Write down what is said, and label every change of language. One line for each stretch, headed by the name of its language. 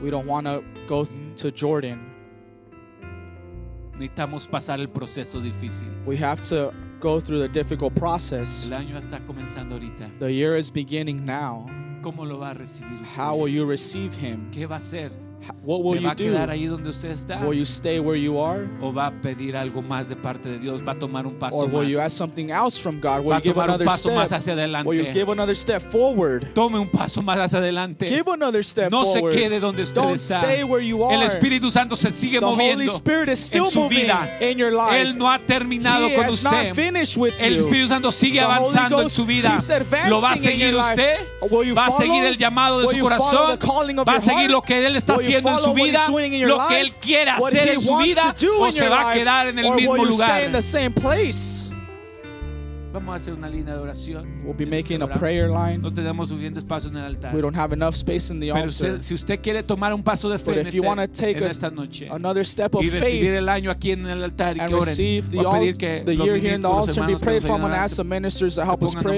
English: We don't want to go to Jordan.
Spanish: Necesitamos pasar el proceso difícil.
English: We have to go through the difficult process.
Spanish: El año está comenzando ahorita.
English: The year is beginning now.
Spanish: ¿Cómo lo va a recibir usted?
English: How will you receive him?
Spanish: ¿Qué va a hacer?
English: What will
Spanish: ¿Se
English: you
Spanish: va a quedar ahí donde usted está?
English: Will you stay where you are?
Spanish: ¿O va a pedir algo más de parte de Dios? ¿Va a tomar un paso
English: or
Spanish: más?
English: Will you ask something else from God? Will
Spanish: ¿Va
English: you give
Spanish: tomar
English: another
Spanish: un paso
English: step?
Spanish: Más hacia adelante?
English: Will you give another step forward?
Spanish: Tome un paso más hacia adelante.
English: Give another step
Spanish: no
English: forward.
Spanish: Se quede donde usted
English: Don't
Spanish: está.
English: Stay where you are.
Spanish: El Espíritu Santo se sigue
English: the
Spanish: moviendo
English: Holy Spirit is still
Spanish: en su vida.
English: In your life.
Spanish: Él no ha terminado
English: he
Spanish: con
English: has
Spanish: usted.
English: Not finished with
Spanish: el Espíritu Santo sigue
English: the
Spanish: avanzando
English: Holy Ghost
Spanish: en su vida.
English: Keeps advancing
Spanish: ¿Lo va a seguir usted?
English: Will you
Spanish: ¿Va a seguir el llamado de
English: will
Spanish: su corazón? ¿Va a seguir lo que Él está haciendo en su vida, lo que él quiere hacer en su vida, o se va a quedar en el mismo lugar? Vamos a hacer una línea de oración.
English: We'll be making a prayer line.
Spanish: No tenemos suficientes pasos en el altar.
English: We don't have enough space in the altar.
Spanish: Pero si usted quiere tomar un paso de fe en esta noche
English: another step of
Spanish: y recibir el año aquí en el altar y que oren, voy a pedir que los ministros, los hermanos,
English: year here in the altar be prayed for. I'm going to ask the ministers to help us pray.